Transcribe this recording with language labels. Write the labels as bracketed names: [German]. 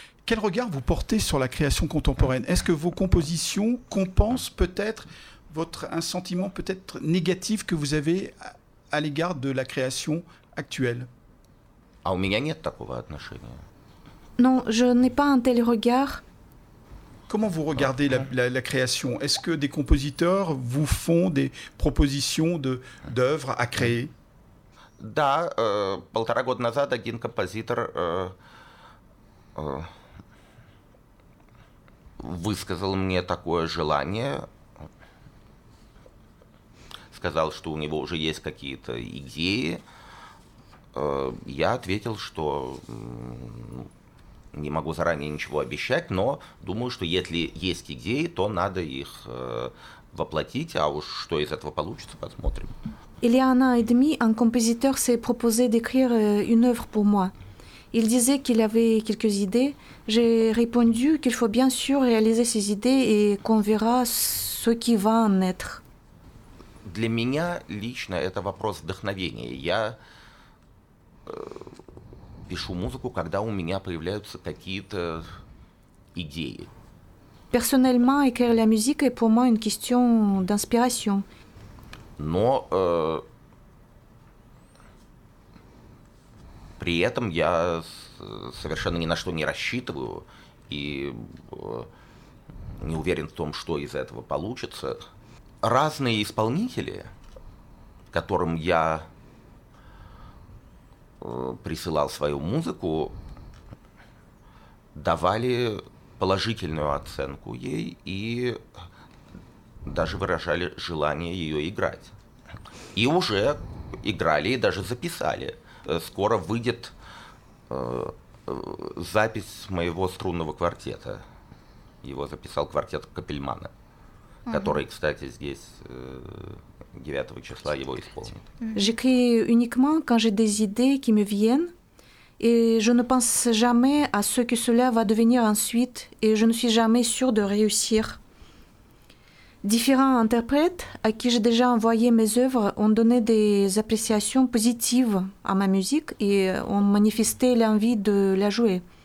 [French] Quel regard vous portez sur la création contemporaine? Est-ce que vos compositions compensent peut-être un sentiment peut-être négatif que vous avez à l'égard de la création actuelle? Non, je n'ai pas un tel regard. Comment vous regardez la création? Est-ce que des compositeurs vous font des propositions d'œuvres à créer? [Russian] Да, полтора года назад один композитор высказал мне такое желание, сказал, что у него уже есть какие-то идеи. Я ответил, что не могу заранее ничего обещать, но думаю, что если есть идеи, то надо их воплотить, а уж что из этого получится, посмотрим. [French] Il y a un an et demi, un compositeur s'est proposé d'écrire une œuvre pour moi. Il disait qu'il avait quelques idées. J'ai répondu qu'il faut bien sûr réaliser ces idées et qu'on verra ce qui va en être. [Russian] Для меня лично это вопрос вдохновения. Я пишу музыку, когда у меня появляются какие-то идеи. [French] Personnellement, écrire la musique est pour moi une question d'inspiration. [Russian] Но при этом я совершенно ни на что не рассчитываю и не уверен в том, что из этого получится. Разные исполнители, которым я присылал свою музыку, давали положительную оценку ей и даже выражали желание ее играть. И уже играли, и даже записали. Скоро выйдет запись моего струнного квартета. Его записал квартет Капельмана, mm-hmm. который, кстати, здесь 9 числа его исполнит. [French] J'écris uniquement quand j'ai des idées qui me viennent, et je ne pense jamais à ce que cela va devenir ensuite, et je ne suis jamais sûr de réussir. Différents interprètes à qui j'ai déjà envoyé mes œuvres ont donné des appréciations positives à ma musique et ont manifesté l'envie de la jouer.